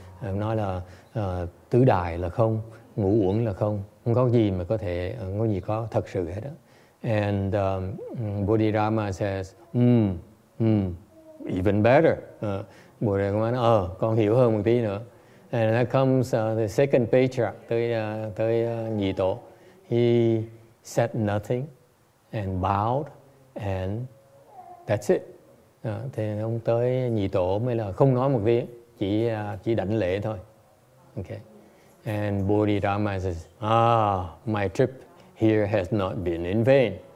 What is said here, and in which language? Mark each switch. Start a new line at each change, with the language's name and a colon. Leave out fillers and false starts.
Vietnamese: Nói là tứ đài là không, ngũ uẩn là không, không có gì mà có thể, không có gì có thật sự hết đó.
English: And Bodhidharma says, even better.
Vietnamese: Bodhidharma nói, con hiểu hơn một tí nữa.
English: And that comes the second patriarch,
Vietnamese: tới nhị tổ.
English: He said nothing and bowed and that's it.
Vietnamese: Thì ông tới nhị tổ mới là không nói một tiếng. Chỉ đảnh lễ thôi. Okay.
English: And Bodhidharma says, my trip here has not been in vain.